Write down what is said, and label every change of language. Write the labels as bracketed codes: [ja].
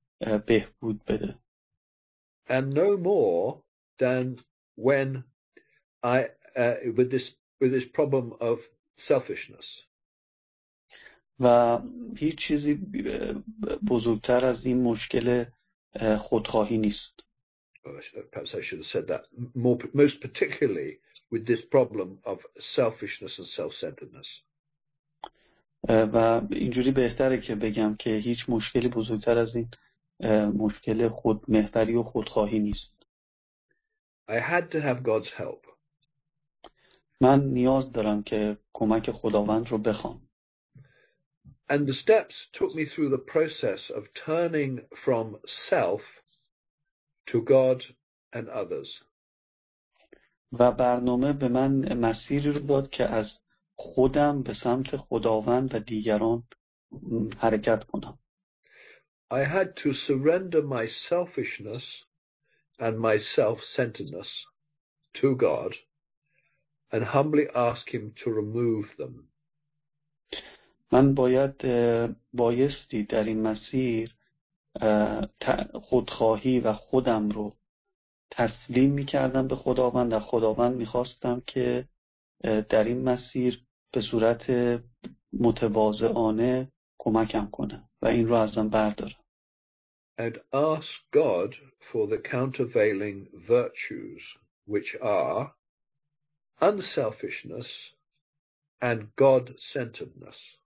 [fa] بهبود بده. [en] And no more than when I with this problem of selfishness. [fa] و هیچ چیزی بزرگتر از این مشکل خودخواهی نیست. [en] Perhaps I should have said that most particularly with this problem of selfishness and self-centeredness. [fa] و اینجوری بهتره که بگم که هیچ مشکلی بزرگتر از این مشکل خودمحوری و خودخواهی نیست. [en] I had to have God's help. [fa] من نیاز دارم که کمک خداوند رو بخوام. [en] And the steps took me through the process of turning from self to God and others. [fa] و برنامه به من مسیری رو داد که از خودم به سمت خداوند و دیگران حرکت کنم. [en] I had to surrender my selfishness and my self-centeredness to God and humbly ask him to remove them. [fa] من باید بایستی در این مسیر خودخواهی و خودم رو تسلیم می‌کردم به خداوند و خداوند می‌خواستم که در این مسیر به صورت متواضعانه کمکم کنه و این رو ازم بردارم. [en] And ask God for the countervailing virtues which are unselfishness and God-centeredness.